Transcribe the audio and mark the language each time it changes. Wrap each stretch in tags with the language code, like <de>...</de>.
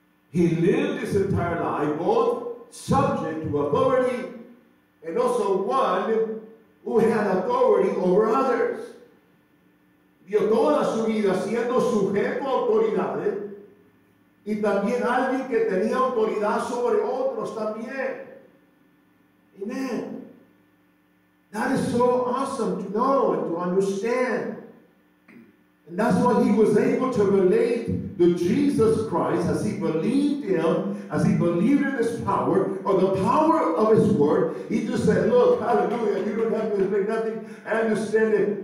<en>He lived his entire life both subject to authority and also one who had authority over others.</en> <es>Vio toda su vida siendo sujeto a autoridades y también alguien que tenía autoridad sobre otros también.</es> <en>Amen. That is so awesome to know and to understand. And that's why he was able to relate to Jesus Christ as he believed him, as he believed in his power, or the power of his word. He just said, look, hallelujah, you don't have to explain nothing. I understand it.</en>